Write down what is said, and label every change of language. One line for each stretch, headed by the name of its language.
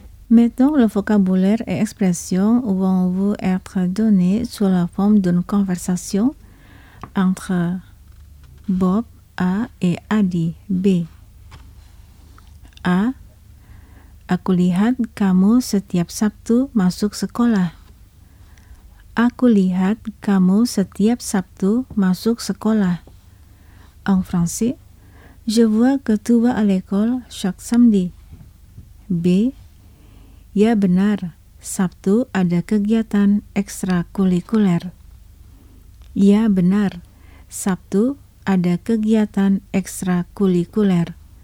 French: Mettons le vocabulaire et expressions vont vous être donnés sous la forme d'une conversation entre Bob A et Adi B. A.
Indonesian: Aku lihat kamu setiap Sabtu masuk sekolah. Aku lihat kamu setiap Sabtu masuk sekolah.
French: En français, je vois que tu vas à l'école chaque samedi.
Indonesian: B. Ya benar, Sabtu ada kegiatan ekstrakurikuler. Ya benar, Sabtu ada kegiatan ekstrakurikuler.